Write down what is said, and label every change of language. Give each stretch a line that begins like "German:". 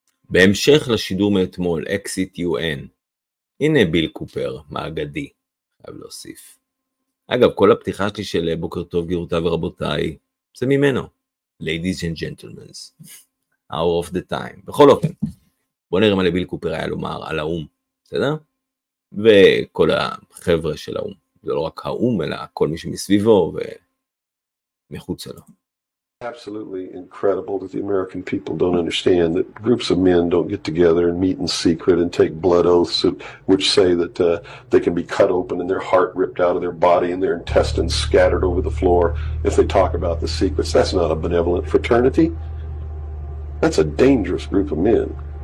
Hebrew: ובהמשך לשידור מאתמול, Exit UN, הנה ביל קופר, מאגדי, חייב להוסיף. אגב, כל הפתיחה שלי של בוקר טוב גירותיי ורבותיי, זה ממנו.
English: Ladies and gentlemen, hour of the time.
Hebrew: בכל אופן, בוא נראה מה לביל קופר היה לומר על האום, בסדר? וכל החבר'ה של האום, זה לא רק האום, אלא כל מי שמסביבו ומחוץ לו.
English: Absolutely incredible that the American people don't understand that groups of men don't get together and meet in secret and take blood oaths which say that they can be cut open and their heart ripped out of their body and their intestines scattered over the floor if they talk about the secrets. That's not a benevolent fraternity. That's a dangerous group of men.